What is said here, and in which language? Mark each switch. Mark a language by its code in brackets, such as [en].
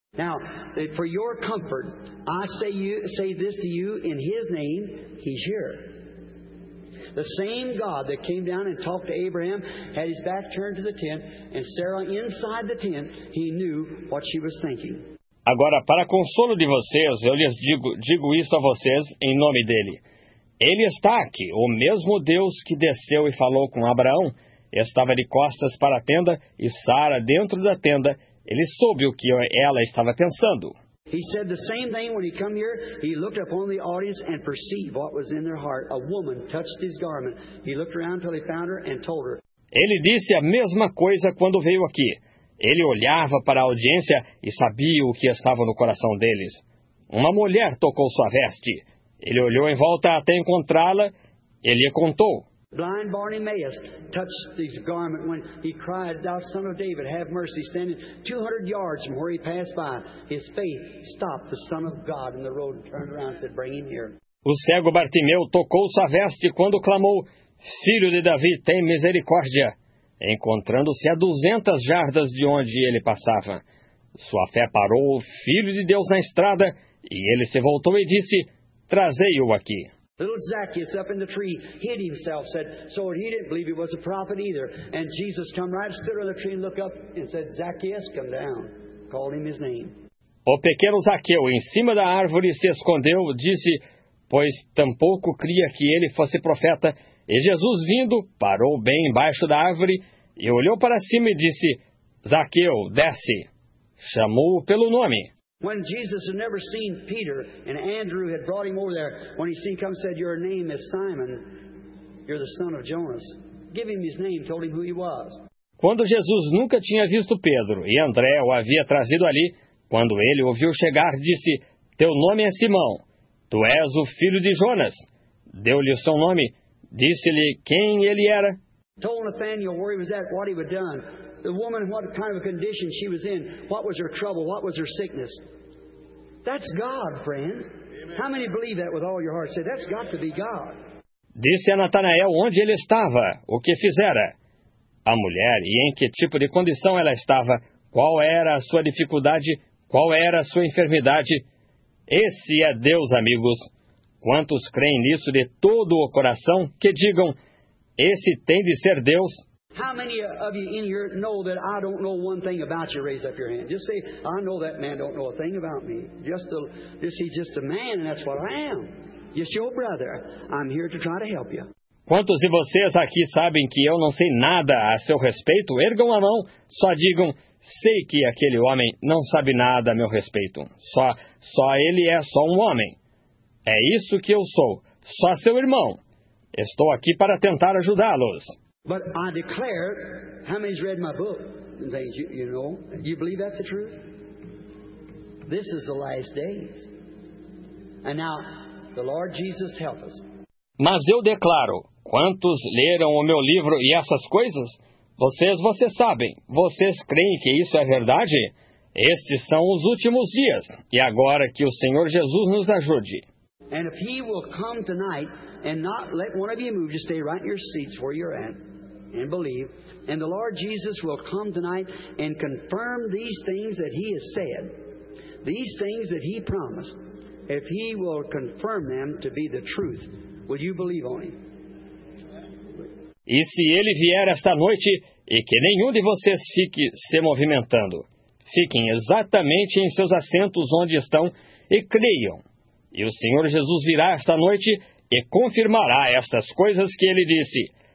[en] Now, for your comfort, I say this to you in his name, he's here. The same God that came down and talked to Abraham, had his back turned to the tent, and Sarah inside the tent, he knew what she was thinking. [pt] Agora, para consolo de vocês, eu lhes digo isso a vocês em nome dele. Ele está aqui, o mesmo Deus que desceu e falou com Abraão, estava de costas para a tenda, e Sara dentro da tenda, ele soube o que ela estava pensando. [en] He said the same thing when he came here. He looked upon the audience and perceived what was in their heart. A woman touched his garment. He looked around till he found her and told her. [pt] Ele disse a mesma coisa quando veio aqui. Ele olhava para a audiência e sabia o que estava no coração deles. Uma mulher tocou sua veste. Ele olhou em volta até encontrá-la. Ele lhe contou. [en] Blind Bartimaeus touched his garment when he cried, "Thou son of David, have mercy!" Standing 200 yards from where he passed by, his faith stopped the son of God in the road and turned around and said, "Bring him here." [pt] O cego Bartimeu tocou sua veste quando clamou, "Filho de Davi, tem misericórdia!" Encontrando-se a 200 jardas de onde ele passava, sua fé parou o filho de Deus na estrada e ele se voltou e disse, "Trazei-o aqui." [en] Little Zacchaeus up in the tree hid himself, said, so he didn't believe he was a prophet either. And Jesus come right, stood on the tree and looked up and said, Zacchaeus, come down. Called him his name. [pt] O pequeno Zaqueu, em cima da árvore, se escondeu, disse, pois tampouco cria que ele fosse profeta. E Jesus, vindo, parou bem embaixo da árvore e olhou para cima e disse, Zaqueu, desce. Chamou-o pelo nome. [en] When Jesus had never seen Peter and Andrew had brought him over there, when he seen come, said, your name is Simon, you're the son of Jonas. Give him his name, told him who he was. [pt] Quando Jesus nunca tinha visto Pedro e André o havia trazido ali, quando ele ouviu chegar, disse, teu nome é Simão, tu és o filho de Jonas. Deu-lhe o seu nome, disse-lhe quem ele era. [en] Told Nathanael where he was at, what he had done. The woman, what kind of a condition she was in, what was her trouble, what was her sickness. That's God, friends. How many believe that with all your heart? Say, that's got to be God. [pt] Disse a Natanael onde ele estava, o que fizera. A mulher, e em que tipo de condição ela estava, qual era a sua dificuldade, qual era a sua enfermidade. Esse é Deus, amigos. Quantos creem nisso de todo o coração, que digam, esse tem de ser Deus. [en] How many of you in here know that I don't know one thing about you? Raise up your hand. Just say, I know that man don't know a thing about me. He's just a man, and that's what I am. Yes, your brother. I'm here to try to help you. [pt] Quantos de vocês aqui sabem que eu não sei nada a seu respeito? Ergam a mão. Só digam, sei que aquele homem não sabe nada a meu respeito. Só ele é um homem. É isso que eu sou. Só seu irmão. Estou aqui para tentar ajudá-los. [en] But I declare, how many's read my book? And things, you know, you believe that's the truth? This is the last days. And now, the Lord Jesus help us. [pt] Mas eu declaro, quantos leram o meu livro e essas coisas? Vocês sabem. Vocês creem que isso é verdade? Estes são os últimos dias. E agora que o Senhor Jesus nos ajude. [en] And if he will come tonight and not let one of you move, just stay right in your seats where you're at. And believe, and the Lord Jesus will come tonight and confirm these things that he has said, these things that he promised. If he will confirm them to be the truth, will you believe on him? [pt] E se ele vier esta noite, e que nenhum de vocês fique se movimentando, fiquem exatamente em seus assentos onde estão e creiam. E o Senhor Jesus virá esta noite e confirmará estas coisas que ele disse.